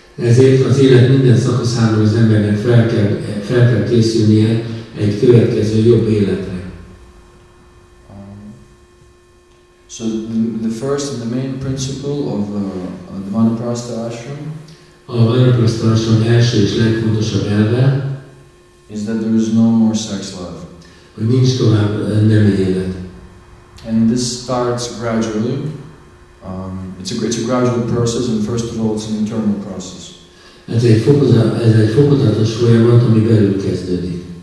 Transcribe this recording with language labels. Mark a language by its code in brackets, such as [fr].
[hu] Ezért az élet minden szakaszában az embernek fel kell készülnie egy következő jobb életre. [en] So the first and the main principle of the Vanaprastha ashram. [hu] A Vanaprastha ashram első és legfontosabb elve. [en] Is that there is no more sex life. [hu] Hogy nincs tovább nem élet. [en] And this starts gradually. It's a gradual process, and first of all, it's an internal process. [hu] Ez egy fokozatos folyamat, ami belül kezdődik.